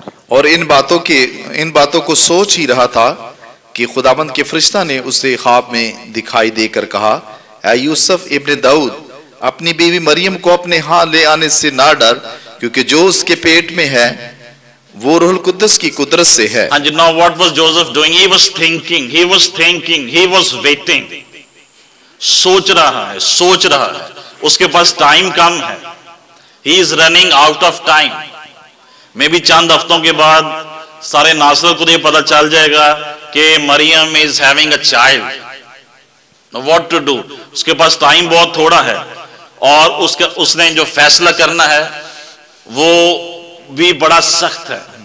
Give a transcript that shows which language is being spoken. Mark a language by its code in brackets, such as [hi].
[hi] और इन बातों को सोच ही रहा था कि खुदाबंद के फरिश्ता ने उसे ख्वाब में दिखाई देकर कहा, ऐ यूसुफ इब्ने दाऊद, अपनी बीवी मरियम को अपने हाँ ले आने से ना डर, क्योंकि जो उसके पेट में है वो रूहुल कुद्दस की कुदरत से है। [en] And you know what was Joseph doing? He was thinking, he was waiting. [hi] सोच रहा है, उसके पास टाइम कम है। [en] He is running out of time. [hi] Maybe चंद हफ्तों के बाद सारे नासरत को ये पता चल जाएगा कि [en] Mariam is having a child. What to do, [hi] उसके पास टाइम बहुत थोड़ा है, और उसने जो फैसला करना है वो भी बड़ा सख्त है।